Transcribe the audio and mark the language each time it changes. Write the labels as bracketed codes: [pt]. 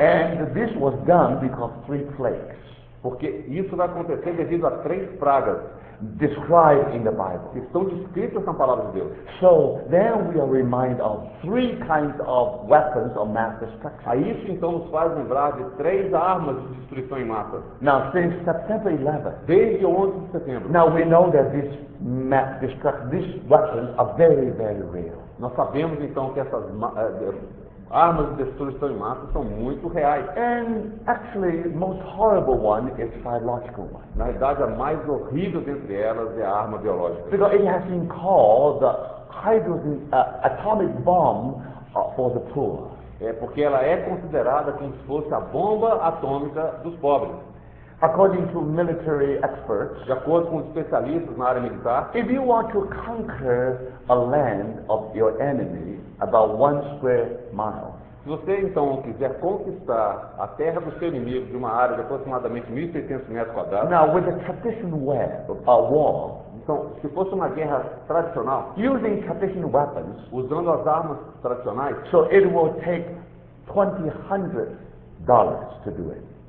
[en] And this was done because of three plagues. [pt] Porque isso vai acontecer devido a três pragas. [en] Described in the Bible. [pt] Estão descritas na palavra de Deus. [en] So then we are reminded of three kinds of weapons of mass destruction. [pt] A isso então nos faz lembrar de três armas de destruição em massa. [en] Now since September 11. [pt] Desde 11 de setembro. [en] Now we know that this mass destruction, these weapons are very, very real. [pt] Nós sabemos então que essas armas de destruição em massa são muito reais. [en] And actually, the most horrible one is biological one. [pt] Na verdade, a mais horrível dentre elas é a arma biológica. [en] Because it has been called the hydrogen atomic bomb for the poor. [pt] É porque ela é considerada como se fosse a bomba atômica dos pobres. [en] According to military experts, [pt] de acordo com especialistas na área militar, [en] if you want to conquer a land of your enemy about 1 square mile, [pt] se você então quiser conquistar a terra do seu inimigo de uma área de aproximadamente 1.600 metros quadrados, [en] now with a traditional war, [pt] então se fosse uma guerra tradicional, [en] using traditional weapons, [pt] usando as armas tradicionais, [en] so it will take $2,000 to do it.